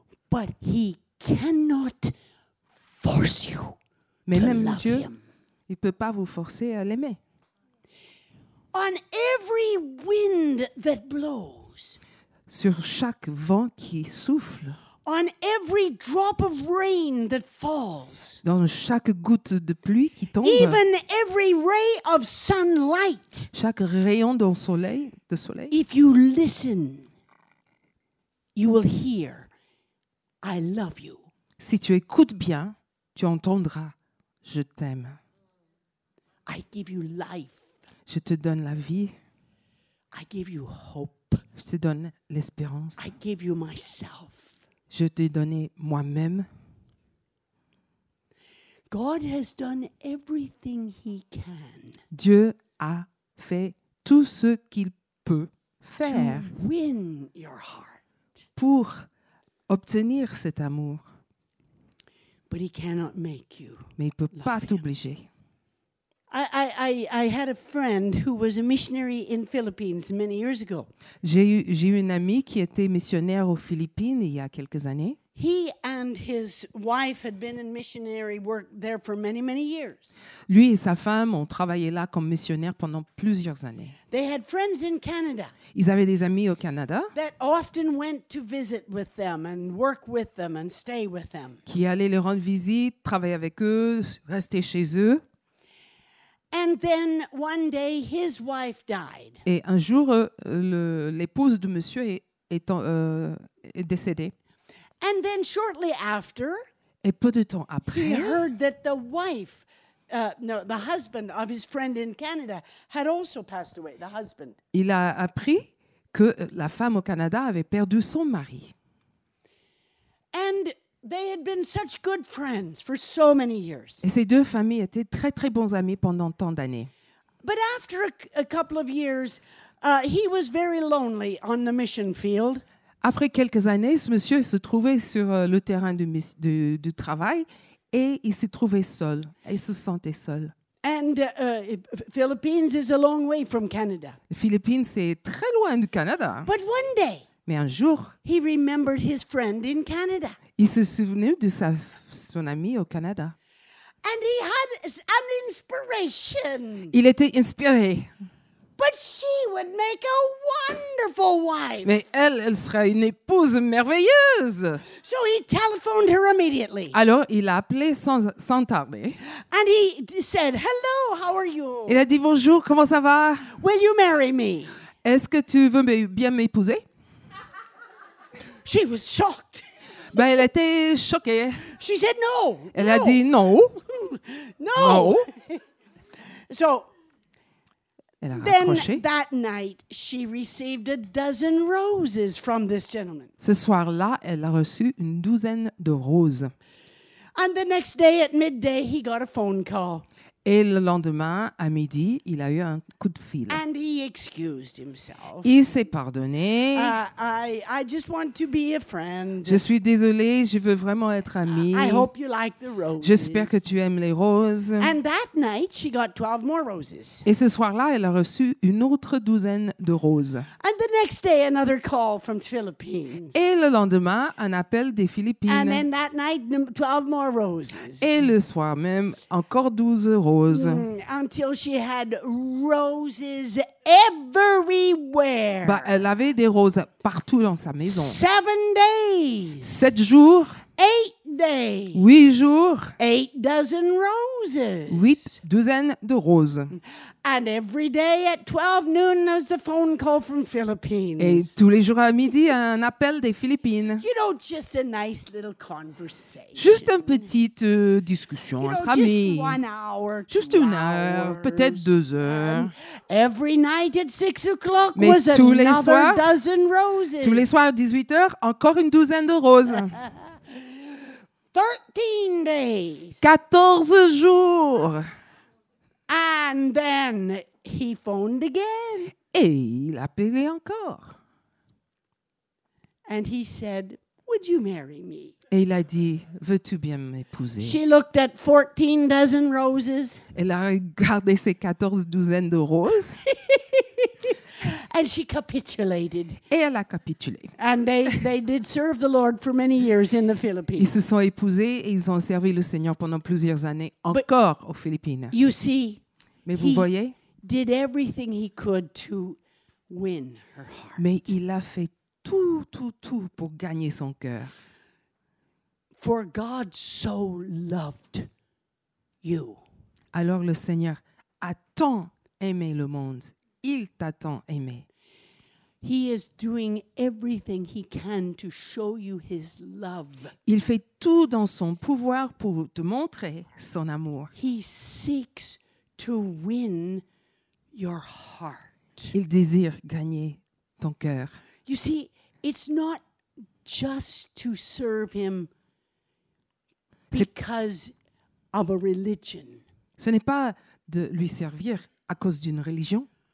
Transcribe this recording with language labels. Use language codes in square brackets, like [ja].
[en] But he cannot force you [fr] Mais [en] to [fr] même [en] love [fr] Dieu, [en] him. [fr] Il ne peut pas vous forcer à l'aimer. [en] On every wind that blows, [fr] sur chaque vent qui souffle, [en] on every drop of rain that falls, [fr] dans chaque goutte de pluie qui tombe, [en] even every ray of sunlight, [fr] chaque rayon de soleil, [en] if you listen, you will hear, I love you. [fr] Si tu écoutes bien, tu entendras, je t'aime. [en] I give you life. [fr] Je te donne la vie. [en] I give you hope. [fr] Je te donne l'espérance. [en] I give you myself. [fr] Je t'ai donné moi-même. [en] God has done everything he can. [fr] Dieu a fait tout ce qu'il peut faire [en] to win your heart. [fr] Pour obtenir cet amour. [en] But he cannot make you. [fr] Mais il ne peut pas t'obliger. [en] Him. I had a friend who was a missionary in Philippines many years ago. [fr] J'ai eu une amie qui était missionnaire aux Philippines il y a quelques années. [en] He and his wife had been in missionary work there for many, many years. [fr] Lui et sa femme ont travaillé là comme missionnaires pendant plusieurs années. [en] They had friends in Canada. [fr] Ils avaient des amis au Canada. [en] That often went to visit with them and work with them and stay with them. [fr] Qui allaient leur rendre visite, travailler avec eux, rester chez eux. [en] And then one day his wife died. [fr] Et un jour l'épouse de monsieur est décédée. [en] And then shortly after, [fr] et peu de temps après, [en] he heard that the wife the husband of his friend in Canada had also passed away, the husband. [fr] Il a appris que la femme au Canada avait perdu son mari. [en] And they had been such good friends for so many years. [fr] Et ces deux familles étaient très très bons amies pendant tant d'années. [en] But after a couple of years, he was very lonely on the mission field. [fr] Après quelques années, ce monsieur se trouvait sur le terrain du travail et il se trouvait seul. Il se sentait seul. [en] And Philippines is a long way from Canada. [fr] Les Philippines, c'est très loin du Canada. [en] But one day, [fr] mais un jour, [en] he remembered his friend in Canada. [fr] Il se souvenait de son ami au Canada. [en] And he had an inspiration. [fr] Il était inspiré. [en] But she would make a wonderful wife. [fr] Mais elle, elle sera une épouse merveilleuse. [en] So he telephoned her immediately. [fr] Alors, il a appelé sans tarder. [en] And he said, "Hello, how are you?" [fr] Il a dit bonjour, comment ça va? [en] "Will you marry me?" [fr] Est-ce que tu veux bien m'épouser? [en] She was shocked. [fr] Ben, elle était choquée. [en] She said no. [fr] Elle [en] no. [fr] a dit non. [en] No. No. So, [fr] elle a [en] then [fr] rapproché. [en] That night, she received a dozen roses from this gentleman. [fr] Ce soir-là, elle a reçu une douzaine de roses. [en] And the next day at midday, he got a phone call. [fr] Et le lendemain, à midi, il a eu un coup de fil. [en] And he excused himself. [fr] Il s'est pardonné. [en] I just want to be a friend. [fr] Je suis désolé, je veux vraiment être ami. [en] I hope you like the roses. [fr] J'espère que tu aimes les roses. [en] And that night, she got 12 more roses. [fr] Et ce soir-là, elle a reçu une autre douzaine de roses. [en] And the next day, another call from Philippines. [fr] Et le lendemain, un appel des Philippines. [en] And then that night, 12 more roses. [fr] Et le soir même, encore 12 roses. [en] Until she had roses everywhere. [fr] Bah, elle avait des roses partout dans sa maison. [en] 7 days. [fr] 7 jours. [en] 8 days. [fr] 8 jours. [en] 8 dozen roses. [fr] 8 douzaines de roses. [en] And every day at 12 noon, there's a phone call from Philippines. [fr] Et tous les jours à midi, un appel des Philippines. [en] You know, just a nice little conversation. [fr] Juste une petite discussion [en] you [fr] entre [en] know, [fr] amis. [en] Just 1 hour. [fr] Juste une heure, [en] hours. [fr] Peut-être 2 heures. [en] Every night at 6 o'clock [fr] Mais [en] was [fr] tous [en] another [fr] les soirs, [en] dozen roses. [fr] Tous les soirs à 18 heures, encore une douzaine de roses. [en] 13 days. [fr] 14 jours. [en] And then he phoned again. [fr] Et il appelait encore. [en] And he said, "Would you marry me?" [fr] Et il a dit, "Veux-tu bien m'épouser?" [en] She looked at 14 dozen roses. [fr] Elle a regardé ses 14 douzaines de roses. [en] And she capitulated. [fr] Et elle a capitulé. [en] And they did serve the Lord for many years in the Philippines. [fr] Ils se sont épousés et ils ont servi le Seigneur pendant plusieurs années encore [en] But [fr] aux Philippines. [en] You see, [fr] Mais vous [en] he [fr] voyez, [en] did everything he could to win her heart. [fr] Mais il a fait tout pour gagner son cœur. [en] For God so loved you. [fr] Alors le Seigneur a tant aimé le monde. Il t'a tant aimé. [en] He is doing everything he can to show you his love. [fr] Il fait tout dans son pouvoir pour te montrer son amour. [en] He seeks to win your heart. [fr] Il désire gagner ton cœur. [en] You see, it's not just to serve him because of a religion. [fr] Ce n'est pas de lui servir à cause d'une religion.